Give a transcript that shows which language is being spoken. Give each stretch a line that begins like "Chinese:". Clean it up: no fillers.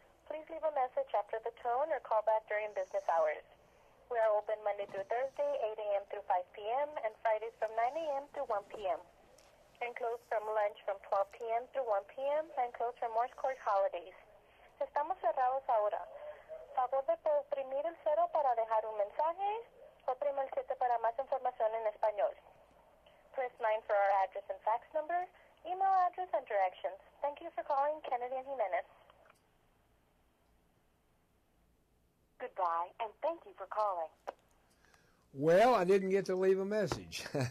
English: Please leave a message after the tone or call back during business hours. We are open Monday through Thursday, 8 a.m. through 5 p.m., and Fridays from 9 a.m. through 1 p.m. And closed from lunch from 12 p.m. through 1 p.m., and closed for Morse Court holidays.
Spanish: Estamos cerrados ahora. Favor de oprimir el cero para dejar un mensaje. Oprima el siete para más información en español.
English: Press 9 for our address and fax number, email address, and directions. Thank you for calling Kennedy and Jimenez. Goodbye, and thank you for calling. Well, I didn't get to leave a message.